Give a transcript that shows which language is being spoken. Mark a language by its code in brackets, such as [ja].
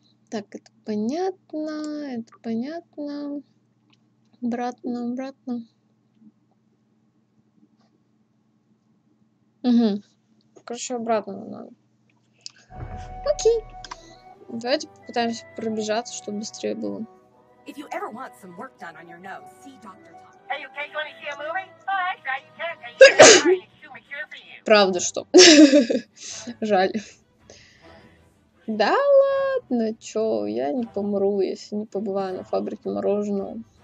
[ru] Так, это понятно, это понятно. Обратно, обратно. Угу. Короче, обратно надо. Окей. Давайте попытаемся пробежаться, чтобы быстрее было. [en] If you ever want some work done on your nose, see Dr. Tom. Hey, okay, you wanna see a movie? Oh, I try, you can't, and you're sorry, it's too mature for you. [ru] Правда, что? Жаль. Да ладно, чё, я не помру, если не побываю на фабрике мороженого.